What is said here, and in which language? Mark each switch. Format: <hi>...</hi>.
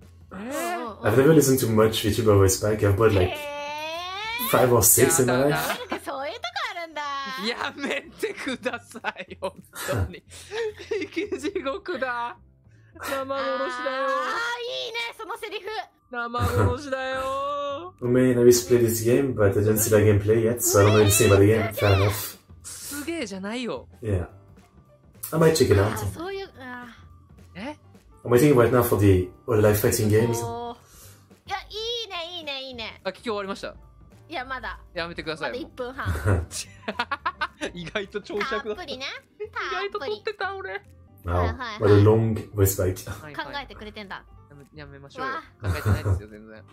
<en>I've never listened to much VTuber voice back. I've put like five or six in my life.</en> <ja>そういうとこあるんだ。やめてください。本当に。生き地獄だ。生殺しだよ。あーいいね、そのセリフ。</ja> <en>We may have played this game, but I didn't see the gameplay yet, so I don't really see about the game. Fair enough.</en> <ja>すげえじゃないよ。</ja> <en>Yeah. I might check it out.</en> <ja>そういう、あ、え？</ja> <en>I'm waiting right now for the Hololive fighting games.</en> <ja>いや、いいね、いいね、いいね。あ、聞き終わりました。いや、まだ。やめてください。まだ1分半。意外と長尺だった。たっぷりね。意外と撮ってた、俺。</ja> <en>Wow. What a long voice bite.</en> <ja>考えてくれてんだ。やめましょうよ。考えてないですよ、全然。</ja>